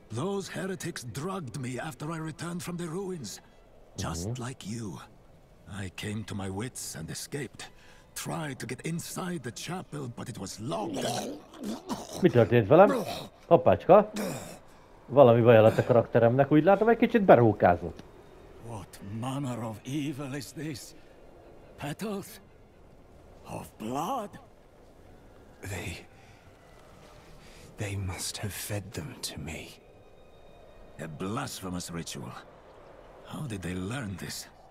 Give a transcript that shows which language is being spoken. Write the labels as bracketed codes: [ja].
[en] Those heretics drugged me after I returned from the ruins. Just like you. I came to my wits and escaped. Tried to get inside the chapel, but it was locked. [hu] Mi történt velem? Hoppácska. Valami baj lett a karakteremnek, úgy látom, egy kicsit berókázott. [en] What manner of evil is this? Petals of blood? They must have fed them to me. A blasphemous ritual. How did they learn this?